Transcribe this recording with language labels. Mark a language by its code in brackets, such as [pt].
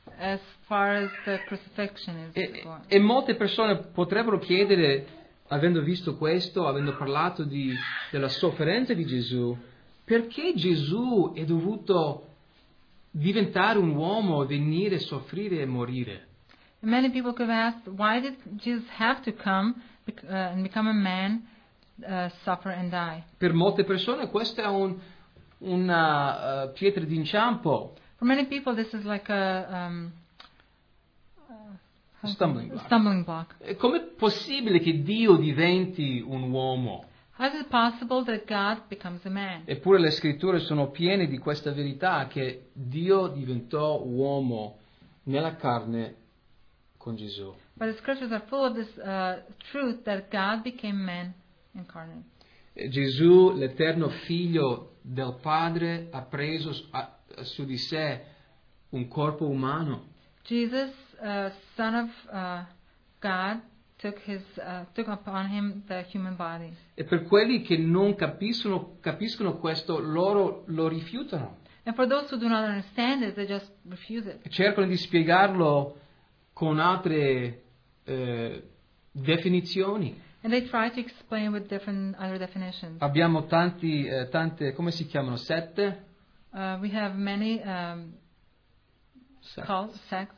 [en] As far as the crucifixion is going. [it] E molte persone potrebbero chiedere, avendo visto questo, avendo parlato della sofferenza di Gesù, perché Gesù è dovuto diventare un uomo, venire, soffrire e morire? [en] Many people could ask, why did Jesus have to come and become a man, suffer and die? [it] Per molte persone questo è una pietra d'inciampo. [en] For many people, this is like Stumbling block. stumbling block. [it] Com'è possibile che Dio diventi un uomo? [en] How is it possible that God becomes a man? [it] Eppure le scritture sono piene di questa verità, che Dio diventò uomo nella carne con Gesù. [en] But the scriptures are full of this truth that God became man incarnate. [it] Gesù, l'eterno figlio del Padre, ha preso su di sé un corpo umano. [en] Jesus, son of God, took upon him the human body. [it] E per quelli che non capiscono questo, loro lo rifiutano. [en] And for those who do not understand it, they just refuse it. [it] Cercano di spiegarlo con altre definizioni. [en] And they try to explain with different other definitions. [it] Abbiamo tante, come si chiamano? Sette? [en] We have many cults, sects,